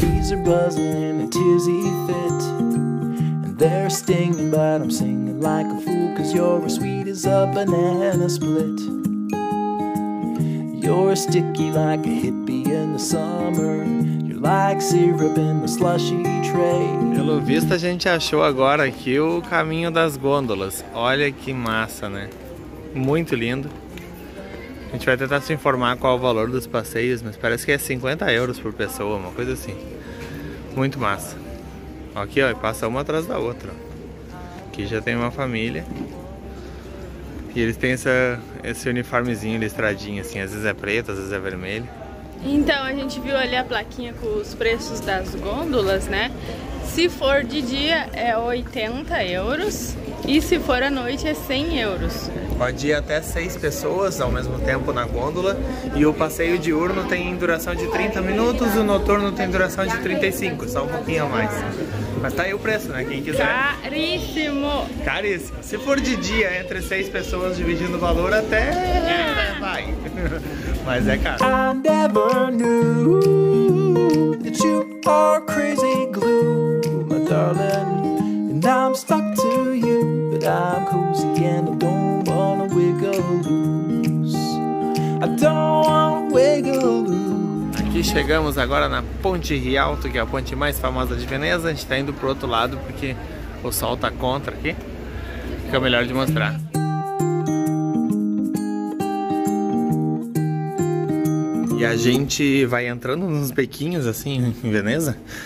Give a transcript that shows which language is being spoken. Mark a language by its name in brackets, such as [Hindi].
[English] The bees are buzzing in a tizzy fit, and they're stinging, but I'm singing like a fool, 'cause you're as sweet as a banana split. You're sticky like a hippie in the summer. You're like syrup in the slushy tray. [Portuguese] Pelo visto, a gente achou agora aqui o caminho das gôndolas. Olha que massa, né? Muito lindo. A gente vai tentar se informar qual o valor dos passeios, mas parece que é 50 euros por pessoa, uma coisa assim. Muito massa. Aqui, ó, passa uma atrás da outra. Aqui já tem uma família. E eles têm esse uniformezinho listradinho, assim, às vezes é preto, às vezes é vermelho. Então, a gente viu ali a plaquinha com os preços das gôndolas, né? Se for de dia, é 80 euros. E se for à noite, é 100 euros. Pode ir até 6 pessoas ao mesmo tempo na gôndola. E o passeio diurno tem duração de 30 minutos. O noturno tem duração de 35, só um pouquinho a mais. Mas tá aí o preço, né? Quem quiser. Caríssimo! Caríssimo. Se for de dia, entre 6 pessoas dividindo o valor, até vai. Mas é caro. [English] I never knew that you are crazy glue, my darling. I'm stuck to you, but I'm cozy and I don't wanna wiggle loose. I don't wanna wiggle loose. [Portuguese] Aqui chegamos agora na Ponte Rialto, que é a ponte mais famosa de Veneza. A gente tá indo pro outro lado porque o sol tá contra aqui. Fica melhor de mostrar. E a gente vai entrando nos bequinhos assim em Veneza.